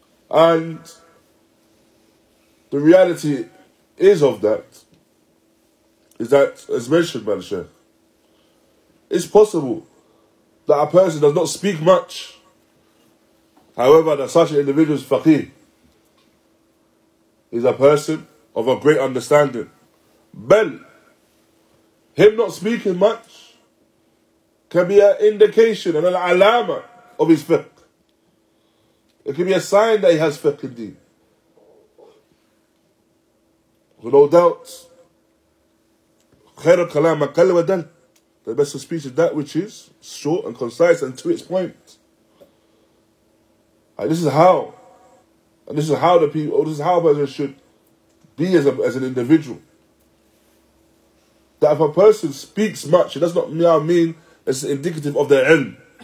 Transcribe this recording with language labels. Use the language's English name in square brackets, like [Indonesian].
[English] And the reality is of that, is that, as mentioned by the Sheikh, it's possible that a person does not speak much, however, that such an individual is faqih, is a person of a great understanding. Bel, him not speaking much can be an indication and an alama of his fiqh. It can be a sign that he has fiqh indeed. With no doubt, [Arabic] خَيْرَ الْكَلَامَ قَلَّ وَدَلْ. [English] The best of speech is that which is short and concise and to its point. And this is how, and this is how the people, or this is how a person should be as an individual. That if a person speaks much, it does not mean it's indicative of their ilm.